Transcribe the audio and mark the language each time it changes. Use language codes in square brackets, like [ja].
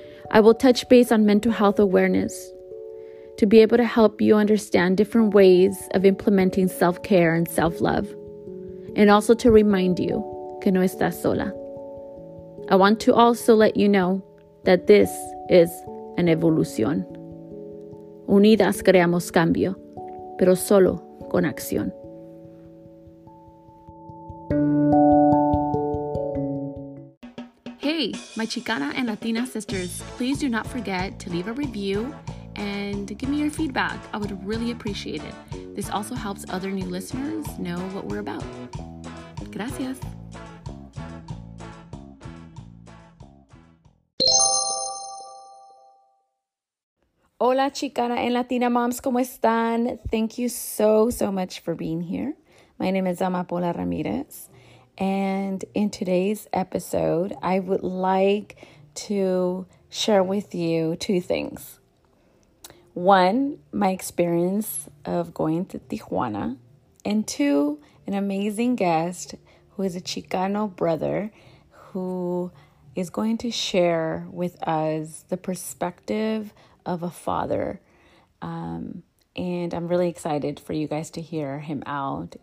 [en] I will touch base on mental health awareness to be able to help you understand different ways of implementing self-care and self-love, and also to remind you [es] que no estás sola. [en] I want to also let you know that this is an evolution. [es] Unidas creamos cambio, pero solo con acción. [en] Hey, my Chicana and Latina sisters, please do not forget to leave a review and give me your feedback. I would really appreciate it. This also helps other new listeners know what we're about. [es] Gracias. Hola, Chicana and Latina moms, ¿cómo están? [en] Thank you so, so much for being here. My name is Amapola Ramirez, and in today's episode, I would like to share with you two things. One, my experience of going to Tijuana, and two, an amazing guest who is a Chicano brother who is going to share with us the perspective of a father, and I'm really excited for you guys to hear him out.